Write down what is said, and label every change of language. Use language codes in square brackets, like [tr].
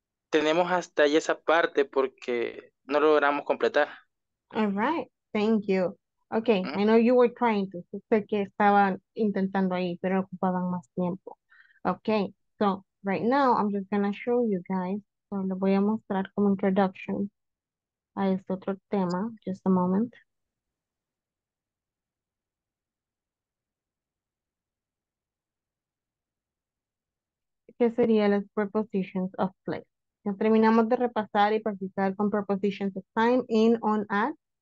[es] Tenemos hasta ahí esa parte porque no logramos completar. [en] All right, thank you. Okay, I know you were trying to. [es] Sé que estaban intentando ahí, pero ocupaban más tiempo. [en] Okay, so right now I'm just gonna show you guys. [es] So lo voy a mostrar como introduction a este otro tema, [en] just a moment. [es] ¿Qué serían las prepositions of place? Ya terminamos de repasar y practicar con prepositions of time, in, on, at.